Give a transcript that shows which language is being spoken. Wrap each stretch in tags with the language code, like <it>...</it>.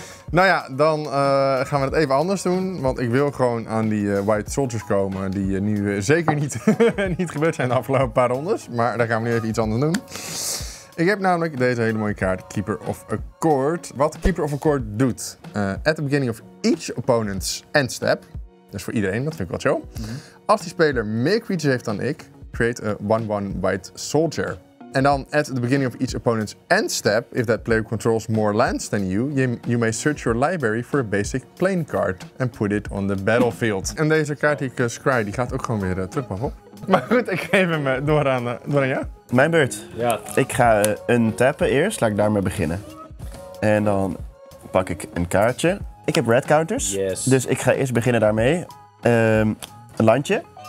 <nl>Nou ja, dan gaan we het even anders doen, want ik wil gewoon aan die White Soldiers komen, die nu zeker niet gebeurd zijn de afgelopen paar rondes, maar daar gaan we nu even iets anders doen. Ik heb namelijk deze hele mooie kaart, Keeper of Accord. Wat Keeper of Accord doet,</nl> <en>at the beginning of each opponent's end step,</en> <nl>dus voor iedereen, dat vind ik wel chill. Mm-hmm. Als die speler meer creatures heeft dan ik, create a 1-1 White Soldier. En dan,</nl> <en>at the beginning of each opponent's end step, if that player controls more lands than you, you may search your library for a basic plane card and put it on the battlefield.</en> <nl>En deze kaart die ik scry, die gaat ook gewoon weer terug, maar op. Maar goed, ik geef hem door aan jou. Mijn beurt. Ja. Ik ga untappen eerst, laat ik daarmee beginnen. En dan pak ik een kaartje. Ik heb red counters,</nl> <en>yes.</en> <nl>Dus ik ga eerst beginnen daarmee. Een landje.</nl>